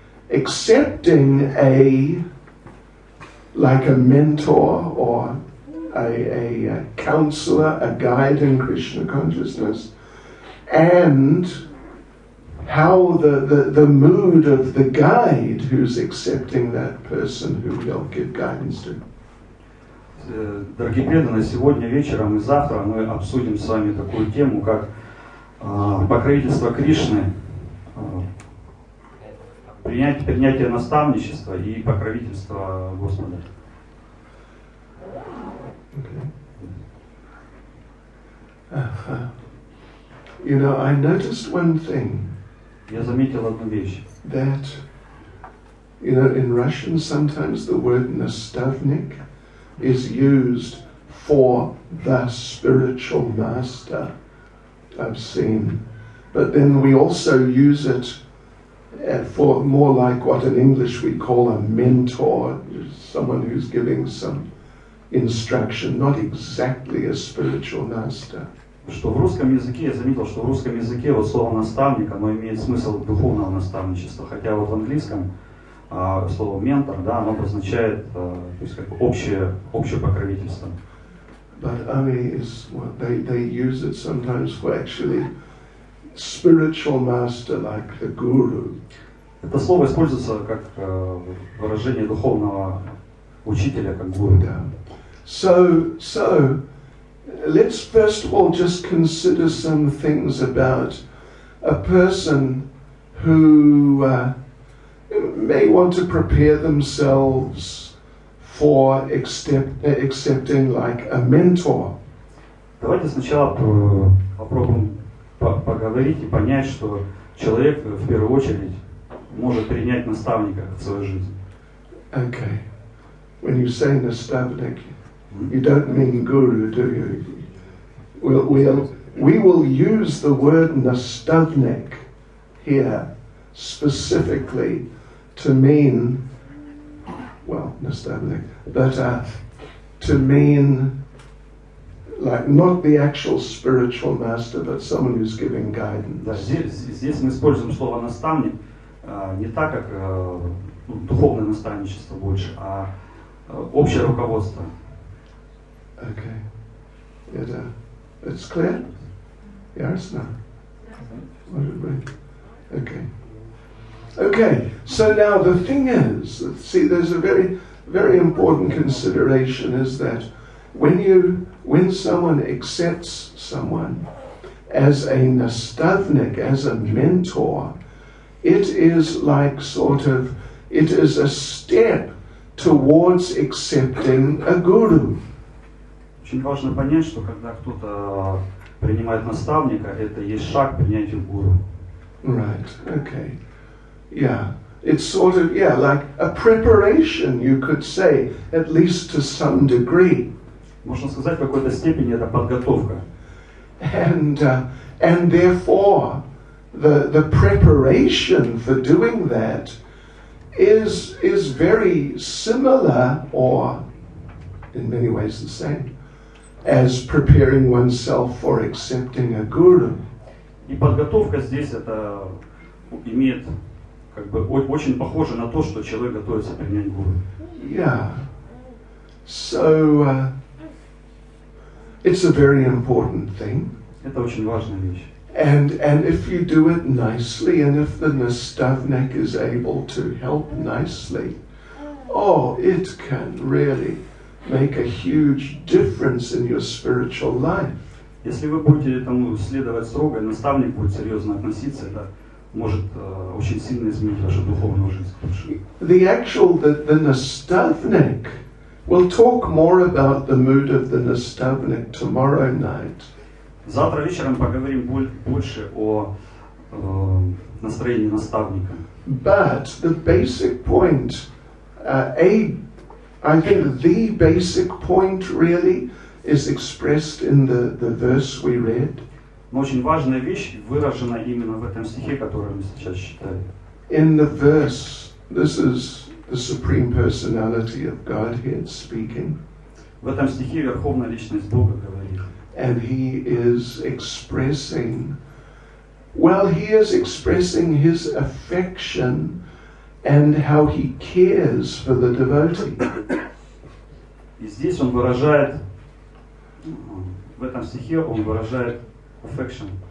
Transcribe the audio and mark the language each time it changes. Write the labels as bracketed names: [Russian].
[English] accepting a mentor or a counselor, a guide in Krishna consciousness, and how the mood of the guide who's accepting that person who will give guidance to. [Russian] Дорогие преданные, сегодня вечером и завтра мы обсудим с вами такую тему, как покровительство Кришны, принятие наставничества и покровительство Господа. [English] Okay. You know, I noticed one thing. [Russian] Я заметил одну вещь. [English] That, you know, in Russian sometimes the word наставник is used for the spiritual master, I've seen. But then we also use it for more like what in English we call a mentor, someone who's giving some instruction, not exactly a spiritual master. [Russian] Что в русском языке, я заметил, что в русском языке вот слово наставник, оно имеет смысл духовного наставничества, хотя вот в английском слово ментор, да, оно обозначает то есть как общее покровительство. [English] But Ami is what they use it sometimes for actually spiritual master like the guru. [Russian] Это слово используется как выражение духовного учителя, как гуру. [English] Yeah. So let's first of all just consider some things about a person who may want to prepare themselves for accepting like a mentor. [Russian] Давайте сначала попробуем поговорить и понять, что человек в первую очередь может принять наставника в свою жизнь. [English] Okay. When you say наставник, you don't mean guru, do you? We will use the word наставник here specifically to mean, well, наставник, but to mean like not the actual spiritual master, but someone who's giving guidance. [Russian] Да, здесь мы используем слово наставник не так, как духовное наставничество больше, а общее руководство. [English] Okay. It's clear? Yes, no? Okay, so now the thing is, see, there's a very, very important consideration is that when someone accepts someone as a nastavnik, as a mentor, it is like sort of, it is a step towards accepting a guru. [Russian] Очень важно понять, что когда кто-то принимает наставника, это есть шаг к принятию гуру. [English] Right, okay. Yeah, it's sort of, yeah, like a preparation, you could say, at least to some degree. [Russian] Можно сказать, в какой-то степени это подготовка. [English] And therefore, the preparation for doing that is very similar, or in many ways the same, as preparing oneself for accepting a guru. [Russian] И подготовка здесь это имеет как бы очень похоже на то, что человек готовится принять гуру. [English] Yeah. So it's a very important thing. [Russian] Это очень важная вещь. [English] And if you do it nicely, and if the nastavnik is able to help nicely, oh, it can really make a huge difference in your spiritual life. [Russian] Если вы будете этому следовать строго, и наставник будет серьезно относиться, это может очень сильно изменить вашу духовную жизнь. [English] The nastavnik, we'll talk more about the mood of the nastavnik tomorrow night. [Russian] Завтра вечером поговорим больше о настроении наставника. [English] But the basic point, I think the basic point really is expressed in the verse we read. [Russian] Но очень важная вещь выражена именно в этом стихе, который мы сейчас читали. [English] In the verse, this is the Supreme Personality of Godhead speaking. [Russian] В этом стихе Верховная Личность Бога говорит. [English] And he is expressing, he is expressing his affection and how he cares for the devotee. [Russian] И здесь он выражает, в этом стихе он выражает affection.